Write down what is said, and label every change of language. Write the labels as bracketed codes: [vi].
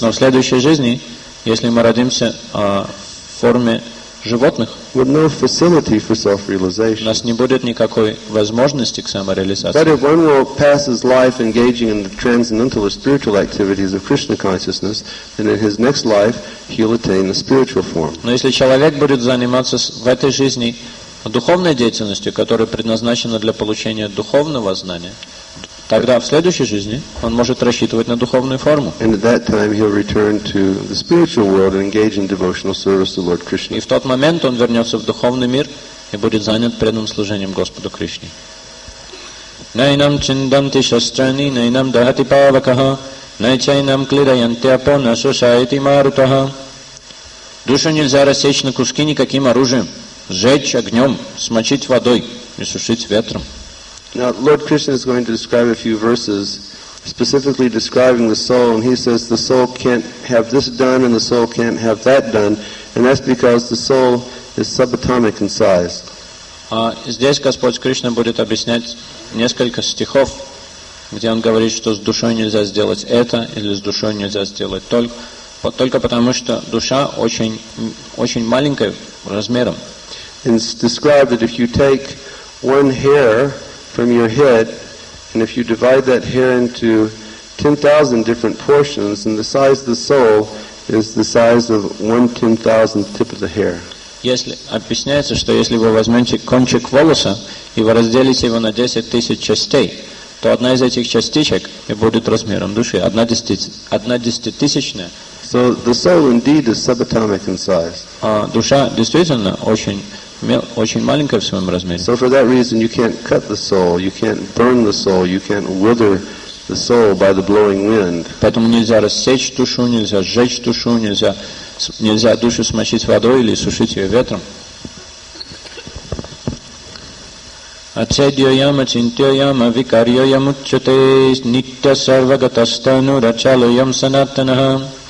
[ru] Но в следующей жизни, если мы родимся в форме животных, [en] with no facility for self-realization. [ru] У нас не будет никакой возможности к самореализации. [en] But if one will pass his life engaging in the transcendental or spiritual activities of Krishna consciousness, then in his next life he'll attain the spiritual form. [ru] Но если человек будет заниматься в этой жизни духовной деятельностью, которая предназначена для получения духовного знания, тогда в следующей жизни он может рассчитывать на духовную форму. [en] And at that time he'll return to the spiritual world and engage in devotional service to Lord Krishna. [ru] И в тот момент он вернется в духовный мир и будет занят преданным служением Господу Кришне. [sa] Найнам чинданти шастрани, найнам дахати павакаха, найчайнам клираянти апона сушайти марутаха. [ru] Душу нельзя рассечь на куски никаким оружием, сжечь огнем, смочить водой и сушить ветром. [en] Now, Lord Krishna is going to describe a few verses specifically describing the soul, and he says the soul can't have this done and the soul can't have that done, and that's because the soul is subatomic in size. [ru] Здесь Господь Кришна будет объяснять несколько стихов, где он говорит, что с душой нельзя сделать это или с душой нельзя сделать только потому, что душа очень маленькая размером. [en] And it's described that if you take one hair from your head, and if you divide that hair into 10,000 different portions, and the size of the soul is the size of 1/10,000th tip of the hair. [ru] Если объясняется, что если вы возьмете кончик волоса и вы разделите его на 10,000 частей, то одна из этих частичек и будет размером души, одна десятитысячная. [en] So the soul indeed is subatomic in size. [ru] Душа действительно очень маленькая в своем размере. [en] So for that reason, you can't cut the soul, you can't burn the soul, you can't wither the soul by the blowing wind. [ru] Поэтому нельзя рассечь душу, нельзя сжечь душу, нельзя душу смочить водой или сушить ее ветром. [sa] Ацедьяма чинтьяма викарьяям учете нитья сарвагатастану рачалоям санатанаха.